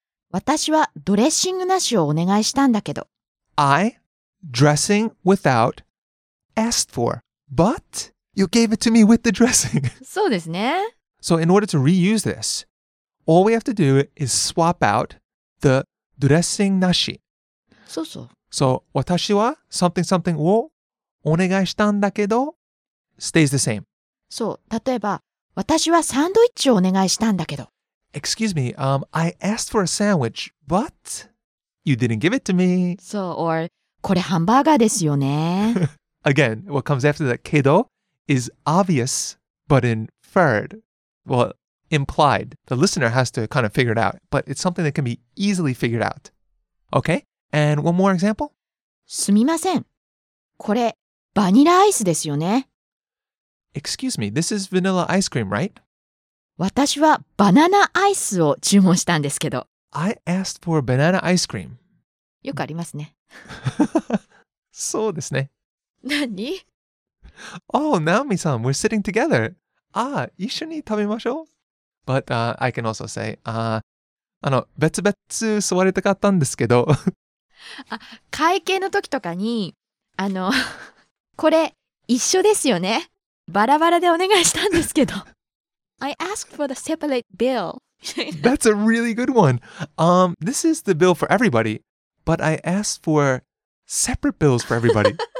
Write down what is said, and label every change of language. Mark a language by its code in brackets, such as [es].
[ja] 私はドレッシングなしをお願いしたんだけど。 [en] I, dressing without, asked for. But you gave it to me with the dressing. [ja] そうですね。 [en] So in order to reuse this, all we have to do is swap out the dressing なし. [ja] そうそう。 [en] So 私は something something [ja] をお願いしたんだけど [en] stays the same. [ja] そう。例えば私はサンドイッチをお願いしたんだけど。 [en] Excuse me, I asked for a sandwich, but you didn't give it to me. [ja] そう。Or これハンバーガーですよね。 [en] Again, what comes after that けど is obvious, but inferred, well, implied. The listener has to kind of figure it out, but it's something that can be easily figured out. Okay, and one more example. [ja] すみません。これ、バニラアイスですよね? [en] Excuse me, this is vanilla ice cream, right? [ja] 私はバナナアイスを注文したんですけど。 [en] I asked for banana ice cream. [ja] よくありますね。そうですね。何? [en] Oh, Naomi-san, we're sitting together. [ja] Ah, 一緒に食べましょう? [en] But I can also say, [ja] 別々座りたかったんですけど。会計の時とかに、これ一緒ですよね。バラバラでお願いしたんですけど。 [en] I asked for the separate bill. That's a really good one. This is the bill for everybody, but I asked for separate bills for everybody.